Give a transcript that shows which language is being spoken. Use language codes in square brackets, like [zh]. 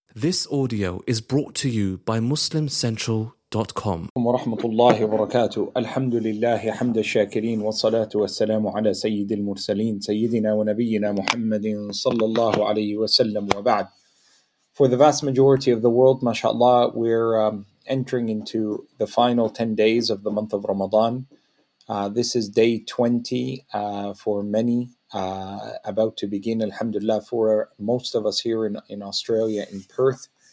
[en] This audio is brought to you by MuslimCentral.com. [ar] ورحمة الله وبركاته. الحمد لله حمد الشاكرين والصلاة والسلام على سيد المرسلين سيدنا ونبينا محمد صلى الله عليه وسلم وبعد. [en] For the vast majority of the world, mashallah, we're entering into the final 10 days of the month of Ramadan. This is day 20 for many. About to begin, alhamdulillah, for most of us here in Australia, in Perth.